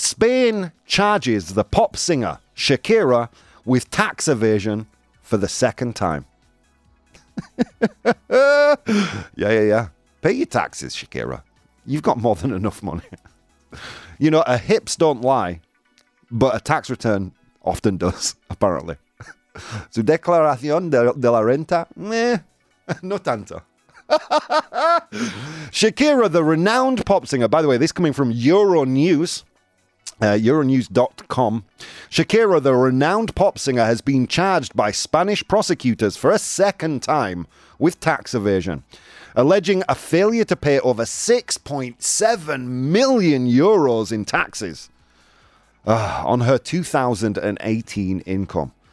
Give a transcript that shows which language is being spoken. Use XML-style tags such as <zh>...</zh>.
<en>Spain charges the pop singer Shakira with tax evasion for the second time. Yeah, yeah, yeah. Pay your taxes, Shakira. You've got more than enough money. You know, hips don't lie, but a tax return often does, apparently.</en> <es>Su declaración de la renta, meh, no tanto.</es> <en>Shakira, the renowned pop singer, by the way, this coming from Euronews, euronews.com. Shakira, the renowned pop singer, has been charged by Spanish prosecutors for a second time with tax evasion, alleging a failure to pay over 6.7 million euros in taxes on her 2018 income.</en>